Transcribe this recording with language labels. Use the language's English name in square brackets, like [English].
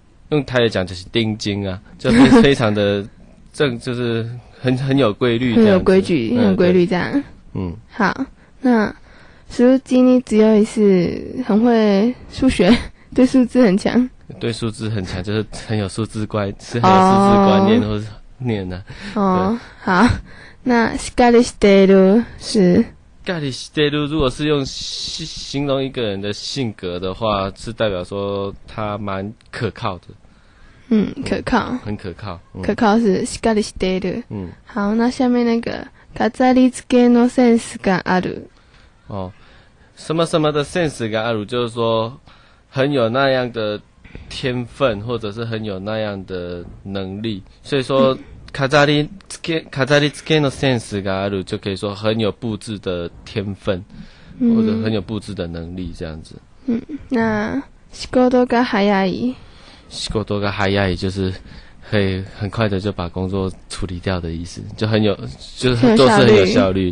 [Chinese] 用台语讲就是丁金啊，就是非常的正，就是很有规律這樣，很有规矩，很有规律这样。嗯，好，那数字你只要是很会数学，对数字很强，对数字很强，就是很有数字观，是很有数字观念或是念的、啊。哦，好，那 [Japanese] しっかりしてる [Chinese] 是。 [Japanese] しっかりしてる， [Chinese] 如果是用形容一个人的性格的话，是代表说他蛮可靠的。嗯，可靠，很可靠。可靠是 [Japanese] しっかりしてる。 [Chinese] 嗯，好，那下面那个 [Japanese] 飾り付けのセンスがある。 [Chinese] 哦，什么什么的 [Japanese] sense がある， [Chinese] 就是说很有那样的天分，或者是很有那样的能力，所以说。 [Japanese] 飾り付けのセンスがある， [Chinese] 就可以说很有布置的天分，或者很有布置的能力这样子。嗯，那 [Japanese] 仕事が早い。仕事が早い [Chinese] 就是可以很快的就把工作处理掉的意思，就很有，就是做事很有效率。